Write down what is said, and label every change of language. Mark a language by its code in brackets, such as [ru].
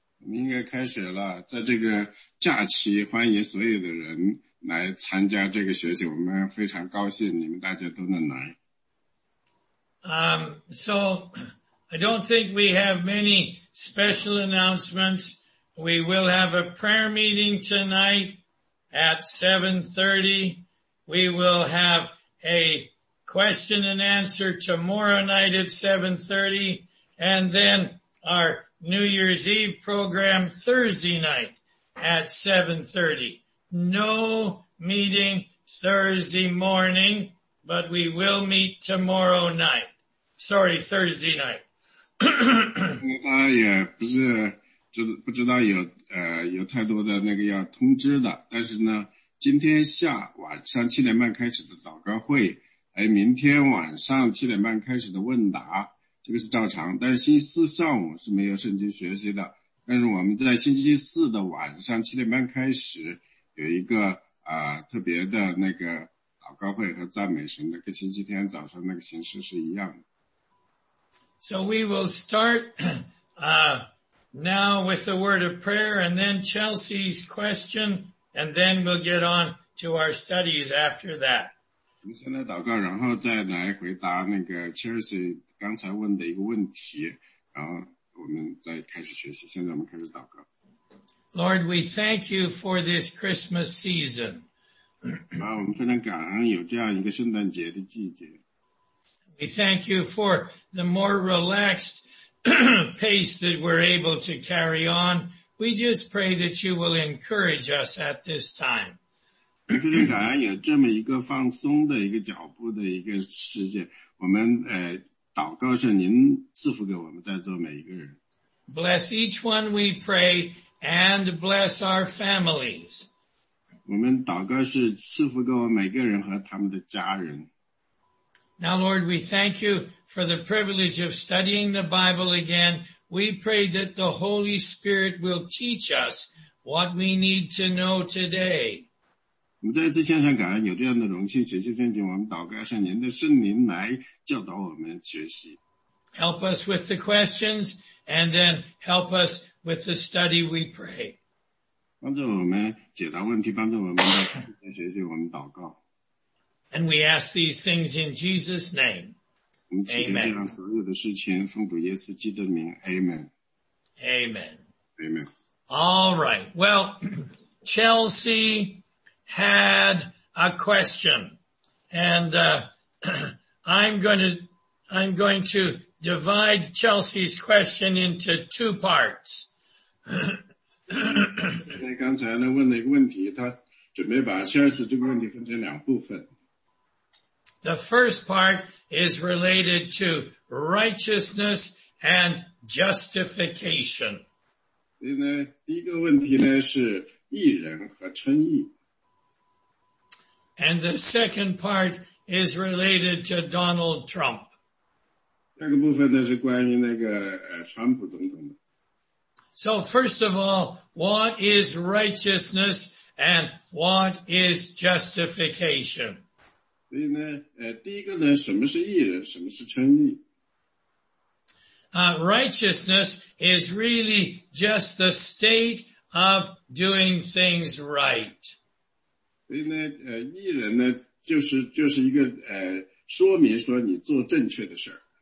[zh] 应该开始了，在这个假期，欢迎所有的人来参加这个学习，我们非常高兴你们大家都能来。 [en] So I don't think we have many special announcements. We will have a prayer meeting tonight at 7:30. We will have a question and answer tomorrow night at 7:30, and then our New Year's Eve program Thursday night at 7:30. No meeting Thursday morning, but we will meet tomorrow night. Sorry, Thursday night. [zh] 他也不是不知道有太多的那个要通知的，但是呢，今天下晚上7点半开始的祷告会，还有明天晚上7点半开始的问答，这个是照常。但是星期四上午是没有圣经学习的，但是我们在星期四的晚上7点半开始有一个特别的那个祷告会和赞美神的，跟星期天早上那个形式是一样的。 [en] So we will start now with a word of prayer and then Chelsea's question, and then we'll get on to our studies after that. [zh] 我们先来祷告，然后再来回答那个 Chelsea 刚才问的一个问题，然后我们再开始学习。现在我们开始祷告。 [en] Lord, we thank you for this Christmas season. [zh] 啊，我们非常感恩有这样一个圣诞节的季节。 [en] We thank you for the more relaxed pace that we're able to carry on. We just pray that you will encourage us at this time. [zh] 非常感恩有这么一个放松的一个脚步的一个时间，我们祷告是您赐福给我们在座每一个人。 [en] Bless each one, we pray, and bless our families. [zh] 我们祷告是赐福给我每个人和他们的家人。 [en] Now, Lord, we thank you for the privilege of studying the Bible again. We pray that the Holy Spirit will teach us what we need to know today. [zh] 我们再次献上感恩，有这样的荣幸学习圣经。我们祷告，让您的圣灵来教导我们学习。 [en] Help us with the questions and then help us with the study, we pray. [zh] 帮助我们解答问题，帮助我们在学习，我们祷告。 [en] And we ask these things in Jesus' name. [zh] 我们祈求这样所有的事情，奉主耶稣基督的名，Amen。 [en] Amen. Amen。 All right. Well, Chelsea had a question. And I'm going to divide Chelsea's question into two parts. [zh] 刚才呢问了一个问题，他准备把下一次这个问题分成两部分。 [en] The first part is related to righteousness and justification. [zh] 所以呢，第一个问题呢是义人和称义。 [en] And the second part is related to Donald Trump. [zh] 第二个部分呢是关于那个川普总统的。 [en] So first of all, what is righteousness and what is justification? [zh] 所以呢，第一个呢，什么是义人，什么是称义？ [en] Righteousness is really just the state of doing things right. [zh] 所以呢，义人呢，就是一个说明说你做正确的事儿。